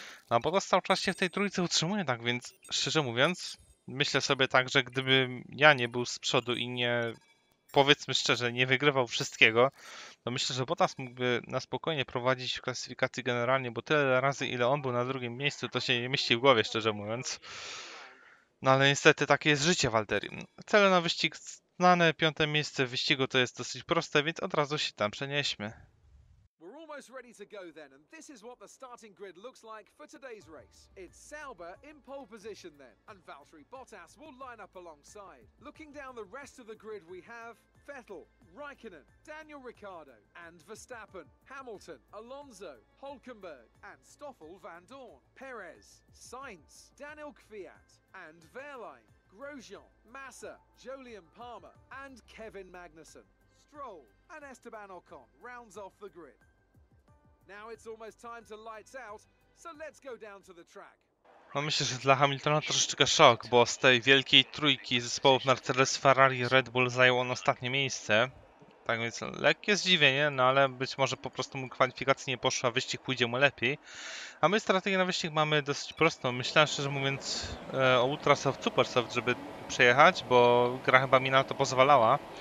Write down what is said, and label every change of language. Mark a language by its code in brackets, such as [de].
[pl] No bo Bottas cały czas się w tej trójce utrzymuje, tak więc szczerze mówiąc, myślę sobie tak, że gdybym ja nie był z przodu i nie, powiedzmy szczerze, nie wygrywał wszystkiego, to myślę, że Bottas mógłby na spokojnie prowadzić w klasyfikacji generalnie, bo tyle razy, ile on był na drugim miejscu, to się nie mieści w głowie, szczerze mówiąc. No ale niestety takie jest życie, Valtteri. Cele na wyścig znane, 5 miejsce w wyścigu to jest dosyć proste, więc od razu się tam przenieśmy. [en] Ready to go then, and this is what the starting grid looks like for today's race. It's Sauber in pole position then, and Valtteri Bottas will line up alongside. Looking down the rest of the grid, we have Vettel, Raikkonen, Daniel Ricciardo, and Verstappen, Hamilton, Alonso, Hülkenberg, and Stoffel van Dorn, Perez, Sainz, Daniel Kvyat, and Wehrlein, Grosjean, Massa, Jolyon Palmer, and Kevin Magnussen. Stroll and Esteban Ocon rounds off the grid. Now it's almost time to lights out, so let's go down to the track. [pl] No myślę, że dla Hamiltona troszeczkę szok, bo z tej wielkiej trójki zespołów Mercedes, Ferrari, Red Bull zajął on ostatnie miejsce. Tak więc lekkie zdziwienie, no ale być może po prostu mu kwalifikacja nie poszła, wyścig pójdzie mu lepiej. A my strategię na wyścig mamy dosyć prostą. Myślałem szczerze mówiąc o Ultrasoft, Supersoft, żeby przejechać, bo gra chyba mi na to pozwalała.